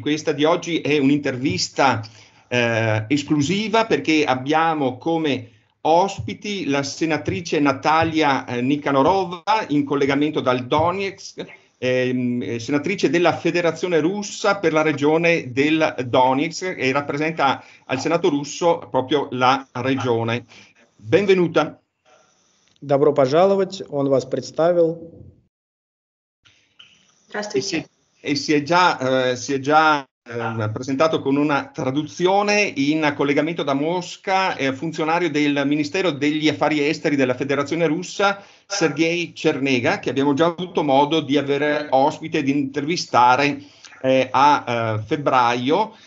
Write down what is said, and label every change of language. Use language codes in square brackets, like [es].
[it] Questa di oggi è un'intervista esclusiva perché abbiamo come ospiti la senatrice Natalia Nikanorova in collegamento dal Donetsk, senatrice della Federazione Russa per la regione del Donetsk e rappresenta al Senato russo proprio la regione. Benvenuta. [ru] Добро пожаловать, он вас представил. [it] E si è già, presentato con una traduzione in collegamento da Mosca, funzionario del Ministero degli Affari Esteri della Federazione Russa, Sergei Cernega, che abbiamo già avuto modo di avere ospite e di intervistare a febbraio.